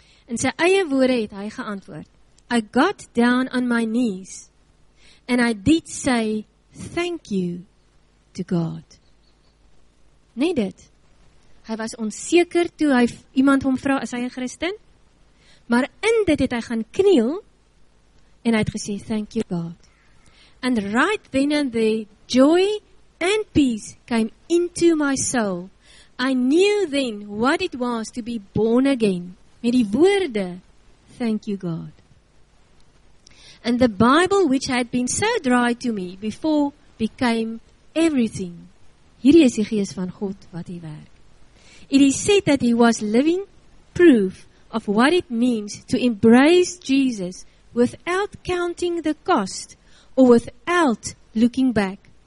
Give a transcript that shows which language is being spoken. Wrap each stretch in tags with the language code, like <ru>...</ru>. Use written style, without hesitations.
<af>In sy eie woorde het hy geantwoord,</af> <en>I got down on my knees, and I did say thank you to God.</en> <af>Nee dit, hy was onseker toe hy iemand hom vra, is hy een Christen? Maar in dit het hy gaan kniel, en hy het gesê,</af> <en>thank you God. And right then and there, joy and peace came into my soul. I knew then what it was to be born again.</en> <af>Met die woorde,</af> <en>thank you God. And the Bible which had been so dry to me before became everything.</en> <af>Hierdie is die gees van God wat hy werk.</af> <en>It is said that he was living proof of what it means to embrace Jesus without counting the cost or without looking back.</en>